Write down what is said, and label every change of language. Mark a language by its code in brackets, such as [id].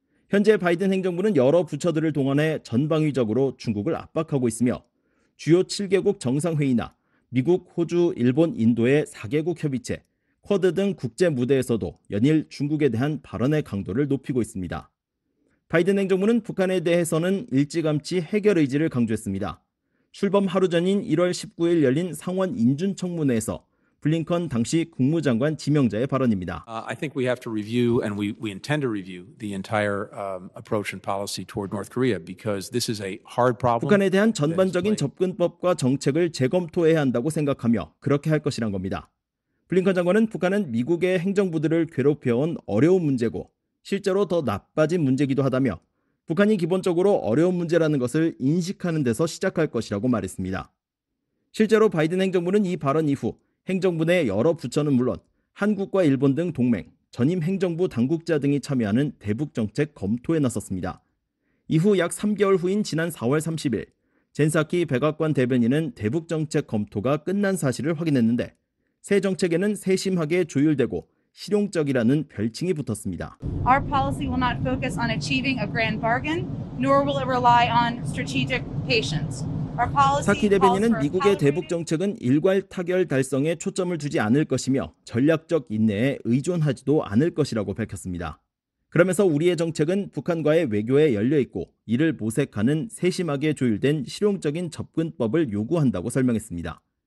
[ko] 현재 바이든 행정부는 여러 부처들을 동원해 전방위적으로 중국을 압박하고 있으며 주요 7개국 정상회의나 미국, 호주, 일본, 인도의 4개국 협의체, 쿼드 등 국제 무대에서도 연일 중국에 대한 발언의 강도를 높이고 있습니다. 바이든 행정부는 북한에 대해서는 일찌감치 해결 의지를 강조했습니다. 출범 하루 전인 1월 19일 열린 상원 인준청문회에서 블링컨 당시 국무장관 지명자의 발언입니다. [en] I think we have to review and we intend to review the entire approach and policy toward North Korea because this is a hard problem. [ko] 북한에 대한 전반적인 접근법과 정책을 재검토해야 한다고 생각하며 그렇게 할 것이란 겁니다. 블링컨 장관은 북한은 미국의 행정부들을 괴롭혀온 어려운 문제고 실제로 더 나빠진 문제이기도 하다며 북한이 기본적으로 어려운 문제라는 것을 인식하는 데서 시작할 것이라고 말했습니다. 실제로 바이든 행정부는 이 발언 이후 행정부 내 여러 부처는 물론 한국과 일본 등 동맹, 전임 행정부 당국자 등이 참여하는 대북정책 검토에 나섰습니다. 이후 약 3개월 후인 지난 4월 30일, 젠사키 백악관 대변인은 대북정책 검토가 끝난 사실을 확인했는데 새 정책에는 세심하게 조율되고 실용적이라는 별칭이 붙었습니다. [en] Our policy will not focus on achieving a grand bargain, nor will it rely on strategic patience. [ko] 사키 대변인은 미국의 대북 정책은 일괄 타결 달성에 초점을 두지 않을 것이며 전략적 인내에 의존하지도 않을 것이라고 밝혔습니다. 그러면서 우리의 정책은 북한과의 외교에 열려있고 이를 모색하는 세심하게 조율된 실용적인 접근법을 요구한다고 설명했습니다.